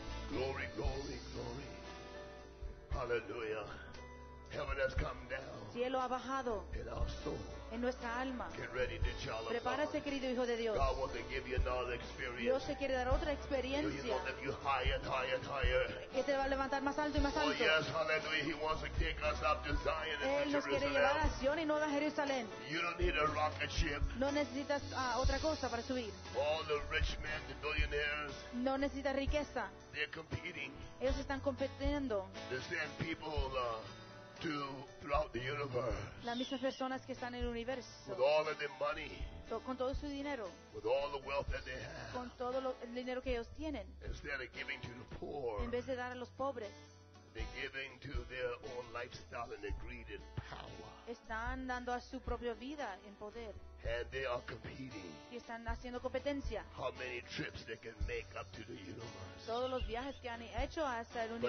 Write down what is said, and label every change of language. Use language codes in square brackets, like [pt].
[en] Glory, glory, glory. Hallelujah. Heaven has come down. [es] Cielo ha bajado. [en] In our soul. [es] En nuestra alma. [en] Get ready to challenge. [es] Prepárese, querido hijo de Dios. [en] God wants to give you another experience. [es] Dios te quiere dar otra experiencia. [en] He wants to lift you higher and higher and higher. [es] Que te va a levantar más alto y más alto. [en] Oh yes, hallelujah. He wants to take us up to Zion. [es] Él nos quiere llevar a Sion y no a Jerusalén. [en] You don't need a rocket ship. [es] No necesitas otra cosa para subir. [en] All the rich men, the billionaires. [es] No necesitas riqueza. [en] They're competing. [es] Ellos están compitiendo. [en] The same people. To throughout the universe. [es] Las mismas personas que están en el universo. [en] With all of their money. [es] Con todo su dinero. [en] With all the wealth that they have. [es] Con todo el dinero que ellos tienen. [en] Instead of giving to the poor. [es] En vez de dar a los pobres. [en] They're giving to their own lifestyle and their greed and power. [es] Están dando a su propia vida en poder. [en] And they are competing. [es] Y están haciendo competencia. [en] How many trips they can make up to the universe. [es] Todos los viajes que han hecho hasta el universo.